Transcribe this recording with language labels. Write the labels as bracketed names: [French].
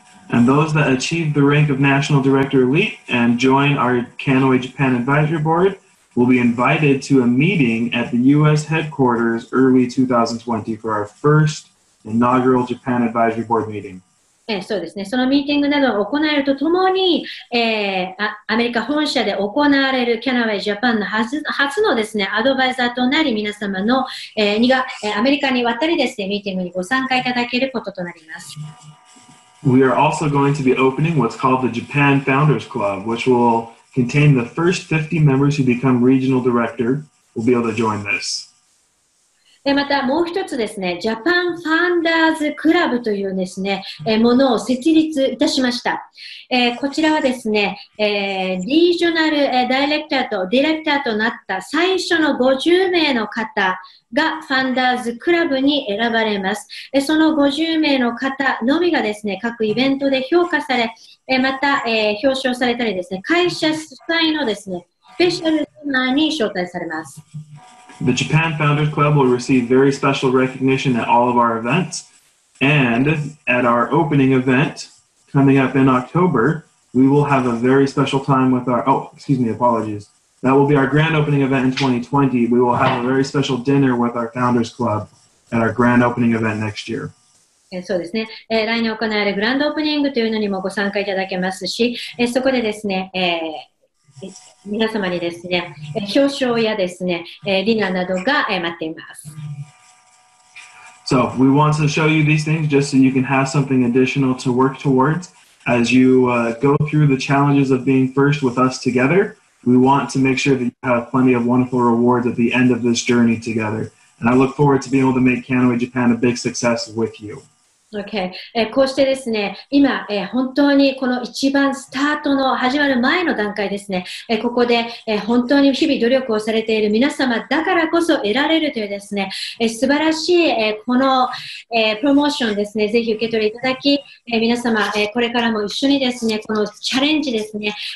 [English] And those that achieve the rank of National Director Elite and join our Kannaway Japan Advisory Board will be invited to a meeting at the U.S. headquarters early 2020 for our first inaugural Japan Advisory Board meeting. [Japanese] そうですね。そのミーティングなどを行えるとともに、アメリカ本社で行われる Kannaway Japan の 初のですね、アドバイザーとなり皆様の、アメリカに渡りですね、ミーティングにご参加いただけることとなります。 [English] We are also going to be opening what's called the Japan Founders Club, which will contain the first 50 members who become regional director will be able to join this. [Japanese] またもう一つですね、ジャパンファンダーズクラブというですね、ものを設立いたしました。こちらはですね、リージョナルダイレクターとディレクターとなった最初の50名の方がファンダーズクラブに選ばれます。その50名の方のみがですね、各イベントで評価され、また、表彰されたりですね、会社主催のですね、スペシャルディナーに招待されます。 [English] The Japan Founders Club will receive very special recognition at all of our events. And at our opening event coming up in October, we will have a very special time with our... Oh, excuse me, apologies. That will be our grand opening event in 2020. We will have a very special dinner with our Founders Club at our grand opening event next year. [Japanese] そうですね、来年行われるグランドオープニングというのにもご参加いただけますし、そこでですね、皆様にですね、表彰やですね、ディナーなどが待っています。 [English] So, we want to show you these things just so you can have something additional to work towards as you、go through the challenges of being first with us together. We want to make sure that you have plenty of wonderful rewards at the end of this journey together. And I look forward to being able to make Kannaway Japan a big success with you. Okay. [Japanese] こうしてですね、今、本当にこの一番スタートの始まる前の段階ですね、ここで、本当に日々努力をされている皆様だからこそ得られるというですね、素晴らしい、この、プロモーションですね、ぜひ受け取りいただき、皆様、これからも一緒にですね、このチャレンジですね、